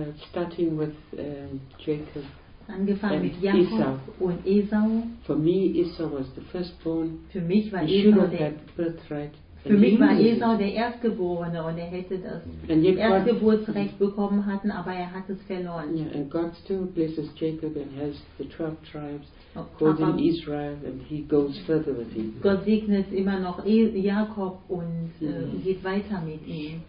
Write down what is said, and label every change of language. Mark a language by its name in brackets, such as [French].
[English] Starting with Jacob. [German] Angefangen mit Jakob und Esau. [English] For me, Esau was the firstborn. [German] Für mich war Esau der Erstgeborene und er hätte das Erstgeburtsrecht bekommen hatten, aber er hat es verloren. [English] Yeah, and God still blesses Jacob and has the 12 tribes called in Israel and he goes further with him. [German] Gott segnet immer noch Jakob und geht weiter mit ihm.